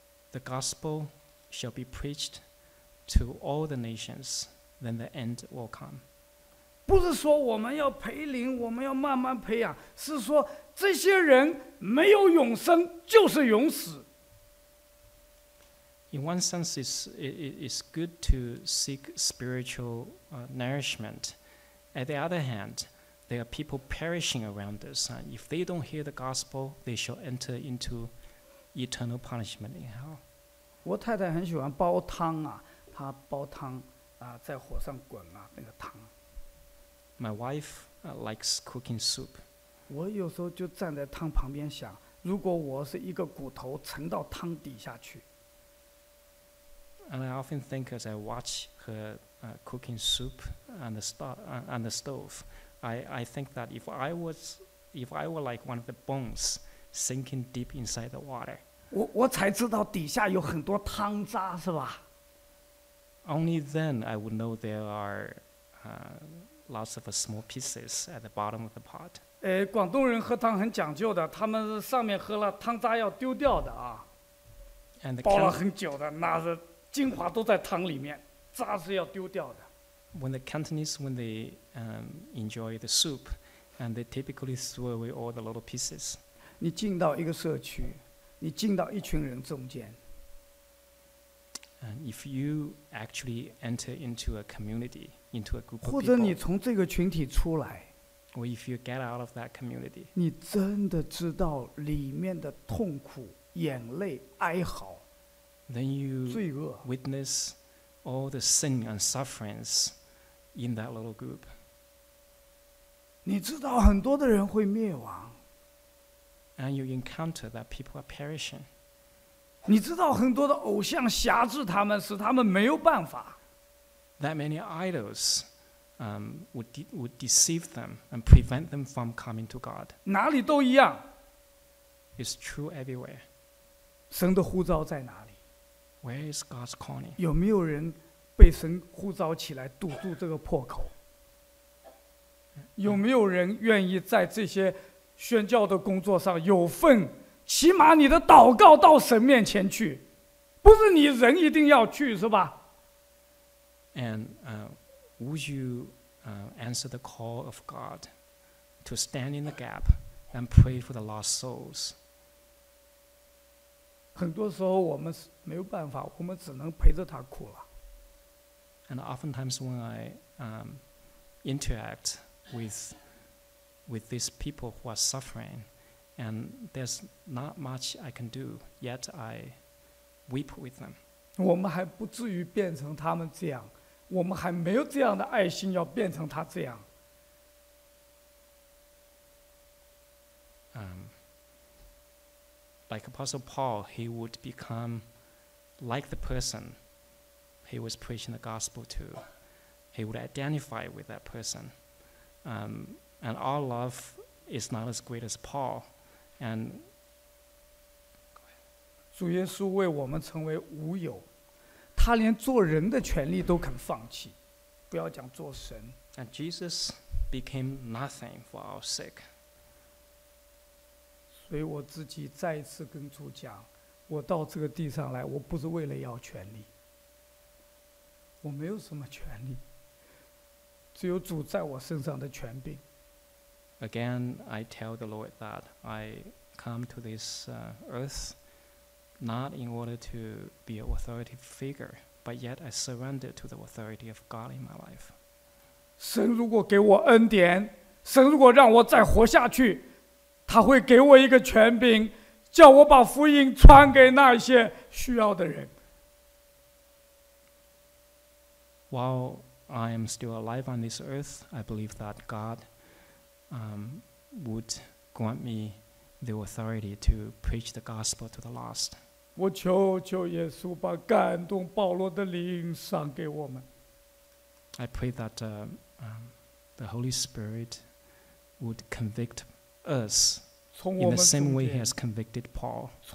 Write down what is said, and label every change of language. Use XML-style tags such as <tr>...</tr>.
<en>The gospel. Shall be preached to all the nations, then the end will come.</en> <zh>不是说我们要培灵，我们要慢慢培养，是说这些人没有永生，就是永死。</zh> <en>In one sense, it's good to seek spiritual nourishment. At the other hand, there are people perishing around us. If they don't hear the gospel, they shall enter into eternal punishment in hell.</en> <zh>我太太很喜欢煲汤啊，她煲汤啊，在火上滚啊，那个汤。</zh> <en>My wife likes cooking soup.</en> <zh>我有时候就站在汤旁边想，如果我是一个骨头沉到汤底下去。</zh> <en>And I often think as I watch her cooking soup on the stove, I think that if I were like one of the bones sinking deep inside the water.</en> <zh>我才知道底下有很多汤渣，是吧？</zh> <en>Only then I would know there are lots of small pieces at the bottom of the pot.</en> <zh>广东人喝汤很讲究的，他们上面喝了汤渣要丢掉的啊。</zh> <en>And the</en> <zh>包了很久的, 那精华都在汤里面, 渣是要丢掉的。</zh> <en>When the Cantonese, when they enjoy the soup, and they typically throw away all the little pieces.</en> <zh>你进到一个社区, 你进到一群人中间,</zh> <en>and if you actually enter into a community, into a group of</en> <zh>或者你从这个群体出来,</zh> <en>people, or if you get out of that community,</en> <zh>你真的知道里面的痛苦, 眼泪, 哀嚎,</zh> <en>then you</en> <zh>罪恶,</zh> <en>witness all the sin and sufferings in that little group.</en> <zh>你知道很多的人会灭亡,</zh> <en>and you encounter that people are perishing.</en> <zh>你知道很多的偶像辖制他们, 使他们没有办法,</zh> <en>that many idols would deceive them and prevent them from coming to God.</en> <zh>哪里都一样,</zh> <en>it's true everywhere.</en> <zh>神的呼召在哪里?</zh> <en>Where is God's calling?</en> <zh>有没有人被神呼召起来堵住这个破口? 有没有人愿意在这些宣教的工作上有份? 起码你的祷告到神面前去, 不是你人一定要去是吧?</zh> <en>And would you answer the call of God to stand in the gap and pray for the lost souls?</en> <zh>很多时候我们没有办法, 我们只能陪着他哭了。</zh> <en>And oftentimes when I interact with these people who are suffering, and there's not much I can do, yet I weep with them.</en> <zh>我们还不至于变成他们这样, 我们还没有这样的爱心要变成他这样。</zh> <en>Like Apostle Paul, he would become like the person he was preaching the gospel to. He would identify with that person. And our love is not as great as Paul. And</en> <zh>主耶稣为我们成为无有, 他连做人的权利都肯放弃, 不要讲做神。</zh> <en>And Jesus became nothing for our sake.</en> <zh>所以我自己再一次跟主讲, 我到这个地上来, 我不是为了要权利, 我没有什么权利, 只有主在我身上的权柄。</zh> <en>Again, I tell the Lord that I come to this earth not in order to be an authority figure, but yet I surrender to the authority of God in my life.</en> <zh>神如果给我恩典, 神如果让我再活下去, 他会给我一个权柄, 叫我把福音传给那些需要的人。</zh> <en>While I am still alive on this earth, I believe that God would grant me the authority to preach the gospel to the lost.</en> <zh>我求求耶稣把感动保罗的灵赏给我们。</zh> <en>I pray that the Holy Spirit would convict us in the same way he has convicted Paul.</en>